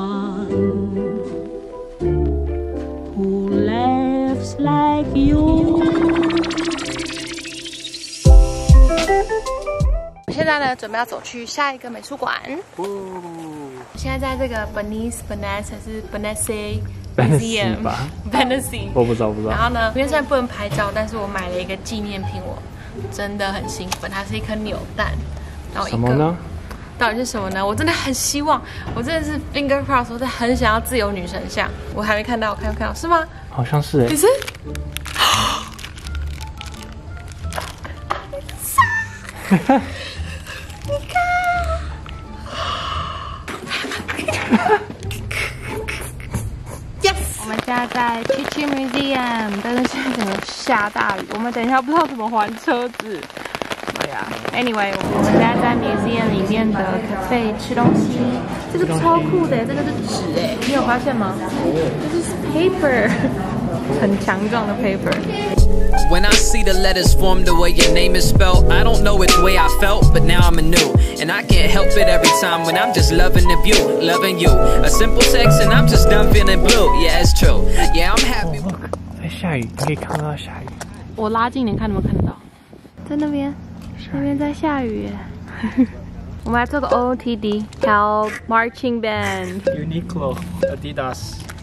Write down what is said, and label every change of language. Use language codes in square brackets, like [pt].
[en] Someone who laughs like you. [zh] 我现在呢，准备要走去下一个美术馆。哦。现在在这个 Venice Venice 还是 Venice Museum 吧？Venice。我不知道，不知道。然后呢，今天虽然不能拍照，但是我买了一个纪念品，我真的很兴奋，它是一颗扭蛋。什么呢？到底是什么呢？我真的很希望，我真的是 [en] finger cross， [zh] 我真的很想要自由女神像。我还没看到，我看到看到是吗？好像是哎。你是？你看，现在在 Chichi Museum， 但是现在整个下大雨，我们等一下不知道怎么还车子。对啊 ， [en] Anyway， [zh] 我们现在在 Museum 里面的 cafe 吃东西，这个超酷的，这个是纸哎，你有发现吗？这是 paper， 很强壮的 paper。 [en] When I see the letters form the way your name is spelled, I don't know which way I felt, but now I'm anew. And I can't help it every time when I'm just loving the view, loving you. A simple text and I'm just done feeling blue. Yeah, it's true. Yeah, I'm happy. Oh, look, [zh] 在下雨，你可以看到下雨。我拉近点看，你们看到？在那边，那边在下雨耶。我们来做个 OOTD， 跳 marching band。 Uniqlo， Adidas。